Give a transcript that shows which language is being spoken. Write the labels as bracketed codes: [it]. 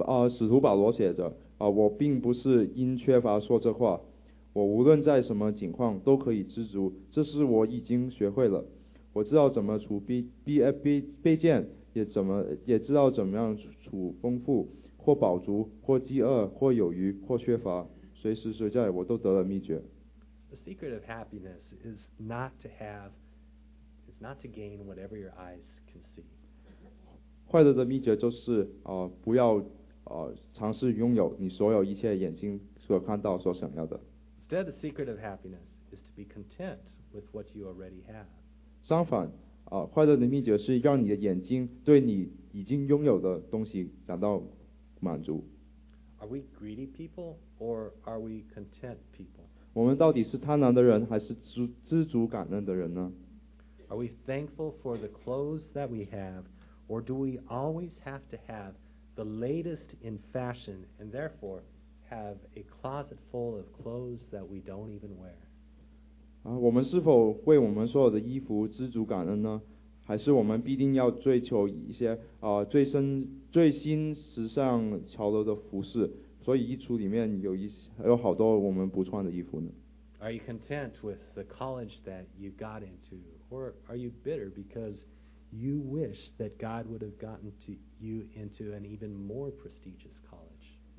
[zh] 使徒保罗写着，我并不是因缺乏说这话，我无论在什么境况都可以知足，这是我已经学会了。我知道怎么处卑贱，也知道怎么样处丰富，或饱足，或饥饿，或有余，或缺乏，随时随在我都得了秘诀。 [en] The secret of happiness is not to have, is not to gain whatever your eyes can see. [zh] 快乐的秘诀就是不要尝试拥有你所有一切眼睛所看到所想要的。 [en] Instead, the secret of happiness is to be content with what you already have. [zh] 相反，快乐的秘诀是让你的眼睛对你已经拥有的东西感到满足。 [en] Are we greedy people or are we content people? [zh] 我们到底是贪婪的人还是知足感恩的人呢？ [en] Are we thankful for the clothes that we have, or do we always have to have the latest in fashion and therefore have a closet full of clothes that we don't even wear? [zh] 我们是否为我们所有的衣服知足感恩呢？还是我们必定要追求一些最新时尚潮流的服饰？所以衣橱里面有好多我们不穿的衣服呢。 [en] Are you content with the college that you got into, or are you bitter because you wish that God would have gotten you into an even more prestigious college?